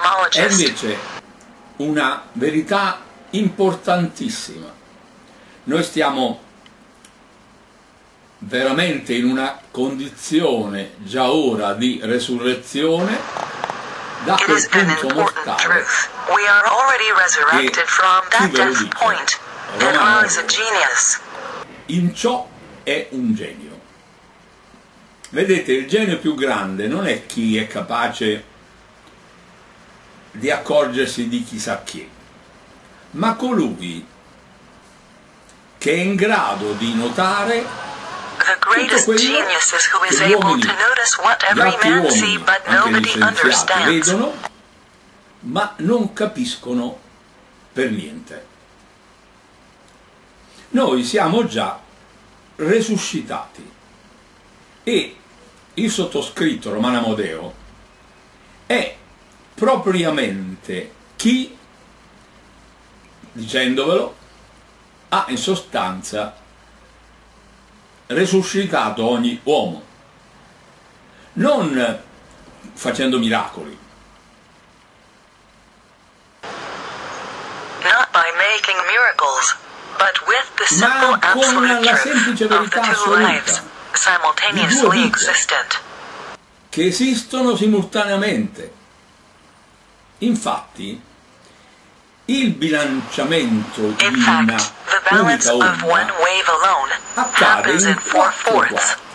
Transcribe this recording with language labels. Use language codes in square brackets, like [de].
[it] È invece una verità importantissima. Noi stiamo veramente in una condizione già ora di resurrezione da quel punto mortale. [en] We are already resurrected from that death point. Romano is a genius. [it] In ciò è un genio. Vedete, il genio più grande non è chi è capace di accorgersi di chissà che, ma colui che è in grado di notare tutto quello che gli uomini, gli altri uomini, anche gli scienziati, vedono, ma non capiscono per niente. Noi siamo già resuscitati e il sottoscritto Romano Amodeo è propriamente chi, dicendovelo, ha in sostanza resuscitato ogni uomo, non facendo miracoli. [en] Not by making miracles, but with the simple absolute truth of the two lives simultaneously existent. [it] Che esistono simultaneamente. Infatti, il bilanciamento di una unica onda accade in quattro quarti.